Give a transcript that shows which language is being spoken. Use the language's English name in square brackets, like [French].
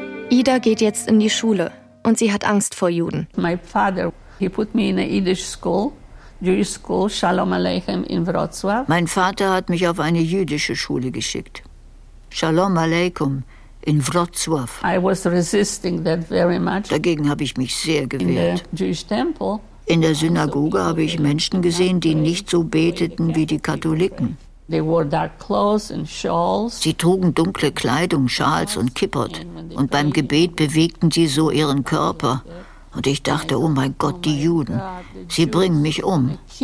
[German] Ida geht jetzt in die Schule und sie hat Angst vor Juden. [English] My father, he put me in a Yiddish school, Jewish school, Shalom Aleichem in Wrocław. [German] Mein Vater hat mich auf eine jüdische Schule geschickt. Shalom Aleichem in Wrocław. [English] I was resisting that very much. [German] Dagegen habe ich mich sehr gewehrt. [English] In the Jewish temple. [German] In der Synagoge habe ich Menschen gesehen, die nicht so beteten wie die Katholiken. [English] They wore dark clothes and shawls. [German] Sie trugen dunkle Kleidung, Schals und Kippot. Und beim Gebet bewegten sie so ihren Körper. Und ich dachte, oh mein Gott, die Juden, sie bringen mich um.